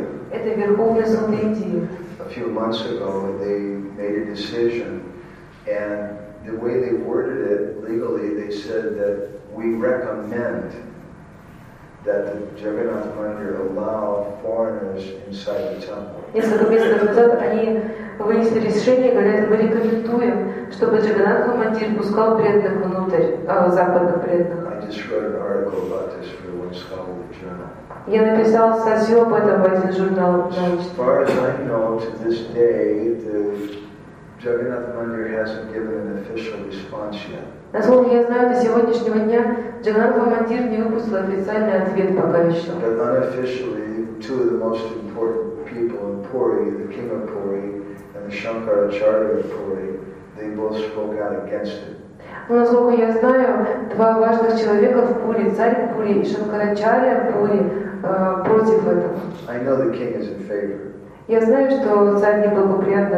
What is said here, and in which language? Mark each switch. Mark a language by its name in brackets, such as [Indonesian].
[Russian] Это Верховный суд Индии. [English] A few months ago, they made a decision, and the way they worded it legally, they said that we recommend that the Jagannath Mandir allow foreigners inside the temple. I just wrote an article about this for one scholarly journal. [Russian] Я написал статью об этом в один журнал. [English] As far as I know, to this day, the Jagannath Mandir hasn't given an official response yet. [Russian] Насколько я знаю, до сегодняшнего дня Джагнатха Мандир не выпустил официальный ответ пока еще. [English] But unofficially, two of the most important people in Puri, the King of Puri and the Shankaracharya of Puri, they both spoke out against it. [Russian] Но насколько я знаю, два важных человека в Пури, царь Пури и Шанкарачарья Пури, против этого. [English] I know the king is in favor. [Russian] Я знаю, что царь неблагоприятно